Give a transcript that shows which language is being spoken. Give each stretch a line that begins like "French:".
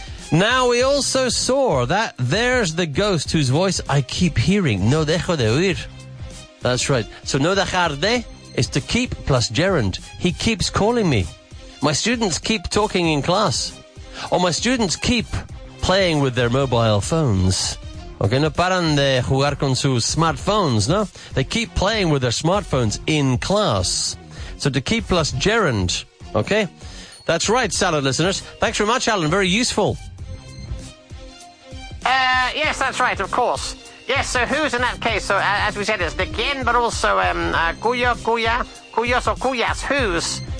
English: Now we also saw that there's the ghost whose voice I keep hearing.
Spanish: No dejo de oír.
English: That's right. So
Spanish: no dejar de
English: is to keep plus gerund. He keeps calling me. My students keep talking in class. Or my students keep playing with their mobile phones.
Spanish: Okay, no paran de jugar con sus smartphones, no?
English: They keep playing with their smartphones in class. So to keep plus gerund, okay? That's right, salad listeners. Thanks very much, Alan. Very useful. Yes, that's right, of course. Yes, so who's in that case? So, as we said, it's the gen, but also cuyos or cuyas, who's.